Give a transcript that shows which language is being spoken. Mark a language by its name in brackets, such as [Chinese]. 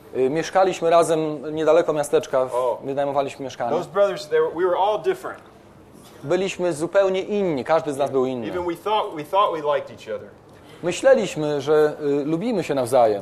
[Polish] Mieszkaliśmy razem niedaleko miasteczka, wynajmowaliśmy mieszkanie. [English] Those brothers, we were all different. [Polish] Byliśmy zupełnie inni, każdy z nas był inny. [English] Even we thought we liked each other. [Polish] Myśleliśmy, że lubimy się nawzajem.